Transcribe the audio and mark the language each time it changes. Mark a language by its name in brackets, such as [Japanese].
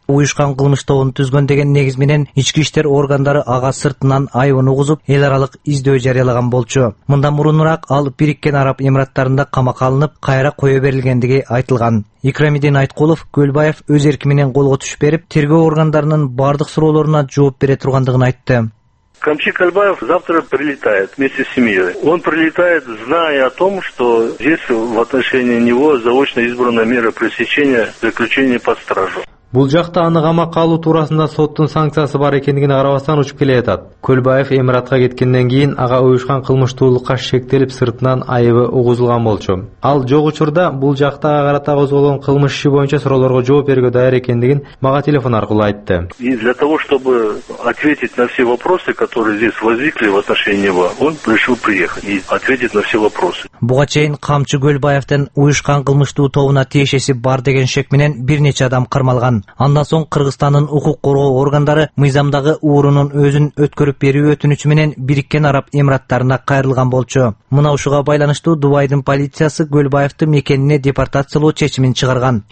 [Kyrgyz] Уюшкан кылмыш тобун түзгөн деген негиз менен ички иштер органдары ага сыртынан айыбын угузуп, эл аралык издөө жарыялаган болчу. Мындан мурунураак ал Бириккен Араб Эмираттарында камакка алынып, кайра кое берилгендиги айтылган. Икрамедин Айткулов Көлбаев өз эрки менен колго түшүп берип, тергөө органдарынын бардык суроолоруна жооп бере тургандыгын айтты. [Russian] Камчы Көлбаев завтра прилетает вместе с семьей. Он прилетает, зная о том, что здесь в отношении него заочно избрана мера пресечения, заключения под стражу. [Kyrgyz] Бул жакта аны камакка алуу туурасында соттун санкциясы бар экендигине карабастан учуп келе жатат. Көлбаев Эмиратка кеткенден кийин ага уюшкан кылмыштуулукка шектелип сыртынан айыбы угузулган болчу. Ал жок учурда бул жакта ага карата козголгон кылмыш иши боюнча суроолорго жооп берүүгө даяр экендигин мага телефон аркылуу айтты. [Russian] И для того, чтобы ответить на все вопросы, которые здесь возникли в отношении него, он решил приехать и ответить на все вопросы. [Kyrgyz] Буга чейин Камчы Көлбаевдин уюшкан кылмыштуу тобуна тиешеси бар деген шек менен бир нече адам кармалган. Андан соң Кыргызстандын укук коргоо органдары мыйзамдагы уурунун өзүн өткөрүп берүү өтүнүчү менен Бириккен Араб Эмираттарына кайрылган болчу. Мына ушуга байланыштуу Дубайдын полициясы Көлбаевди мекенине депортациялоо чечимин чыгарган.